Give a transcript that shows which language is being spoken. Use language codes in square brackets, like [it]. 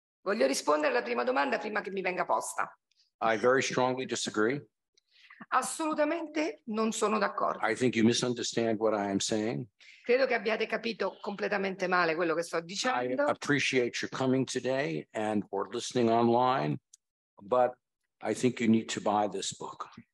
[it] Voglio rispondere alla prima domanda prima che mi venga posta. [en] I very strongly disagree. [it] Assolutamente non sono d'accordo. [en] I think you misunderstand what I am saying. [it] Credo che abbiate capito completamente male quello che sto dicendo. [en] I appreciate your coming today and or listening online, but I think you need to buy this book.